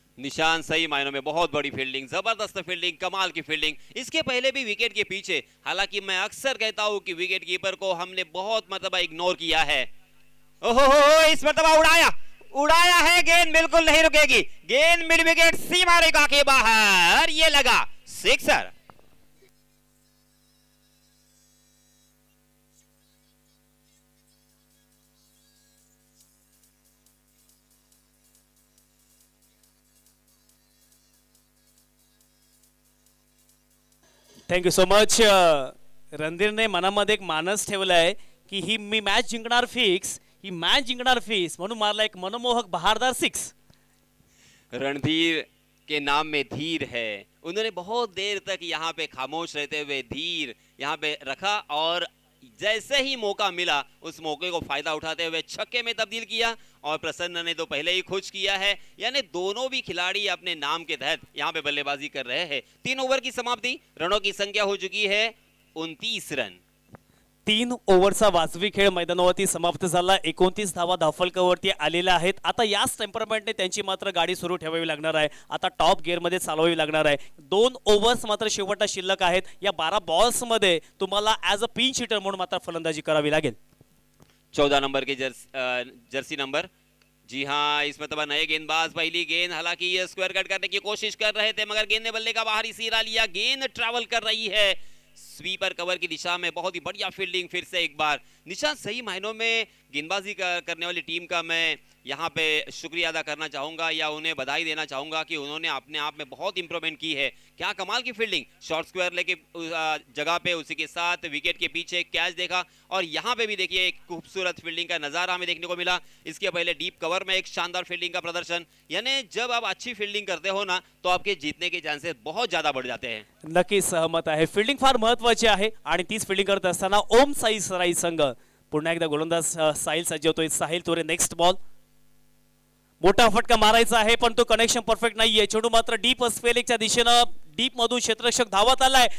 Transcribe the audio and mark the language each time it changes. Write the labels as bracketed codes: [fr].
[hi] निशान सही मायनों में बहुत बड़ी फील्डिंग, जबरदस्त फील्डिंग, कमाल की फील्डिंग. इसके पहले भी विकेट के पीछे, हालांकि मैं अक्सर कहता हूँ कि विकेट कीपर को हमने बहुत मतलब इग्नोर किया है. ओहो, इस मरतबा उड़ाया है, गेंद बिल्कुल नहीं रुकेगी. गेंद मिड विकेट सीमा रेखा के बाहर, ये लगा sixer. [en] Thank you so much. [mr] रणधीरने मनामध्ये एक मानस ठेवलाय की ही मी मॅच जिंकणार फिक्स, ही मॅच जिंकणार फिक्स, म्हणून मारला एक मनमोहक बहारदार सिक्स. [hi] रणधीर के नाम में धीर है, उन्होंने बहुत देर तक यहाँ पे खामोश रहते हुए धीर यहाँ पे रखा और जैसे ही मौका मिला उस मौके को फायदा उठाते हुए छक्के में तब्दील किया. और प्रसन्न ने तो पहले ही खुश किया है, यानी दोनों भी खिलाड़ी अपने नाम के तहत यहाँ पे बल्लेबाजी कर रहे हैं. 3 ओवर की समाप्ति, रनों की संख्या हो चुकी है 29 रन. [mr] 3 ओव्हरचा वाजवी खेळ मैदानावरती समाप्त झाला. 29 धावा धावफलकावरती आलेल्या आहेत. आता याच टेम्परमेंटने त्यांची मात्र गाडी सुरू ठेवावी लागणार आहे, आता टॉप गिअरमध्ये चालवावी लागणार आहे. 2 ओव्हर्स मात्र शेवटचा शिल्लक आहेत. या 12 बॉल्समध्ये तुम्हाला ॲज अ पिंच हिटर म्हणून मात्र फलंदाजी करावी लागेल. [hi] 14 नंबर की जर्सी नंबर, जी हाँ, इसमें तब नए गेंदबाज पहली गेंद, हालांकि ये स्क्वायर कट करने की कोशिश कर रहे थे मगर गेंद ने बल्ले का बाहर सिरा लिया. गेंद ट्रैवल कर रही है स्वीपर कवर की दिशा में, बहुत ही बढ़िया फील्डिंग. फिर से एक बार निशान, सही मायनों में गेंदबाजी करने वाली टीम का मैं यहाँ पे शुक्रिया अदा करना चाहूंगा या उन्हें बधाई देना चाहूंगा कि उन्होंने अपने आप में बहुत इंप्रूवमेंट की है. क्या कमाल की फील्डिंग, शॉर्ट स्क्वायर लेके जगह पे उसी के साथ विकेट के पीछे कैच देखा, और यहाँ पे भी देखिए एक खूबसूरत फील्डिंग का नजारा हमें देखने को मिला. इसके पहले डीप कवर में एक शानदार फील्डिंग का प्रदर्शन, यानी जब आप अच्छी फील्डिंग करते हो ना तो आपके जीतने के चांसेस बहुत ज्यादा बढ़ जाते हैं. [mr] नक्की सहमत आहे, फील्डिंग फार महत्त्वाची आहे. आणि तीच फील्डिंग करत असताना ओम साई सराई संघ पुन्हा एकदा गोलंदाज साहिल सज्ज होतोय. साहिल तोरे नेक्स्ट बॉल, मोठा फटका मारायचा आहे पण तो कनेक्शन परफेक्ट नाही आहे. छोटू मात्र डीप स्पेलिंगच्या दिशेनं डीप मधून क्षेत्ररक्षक धावत आलाय.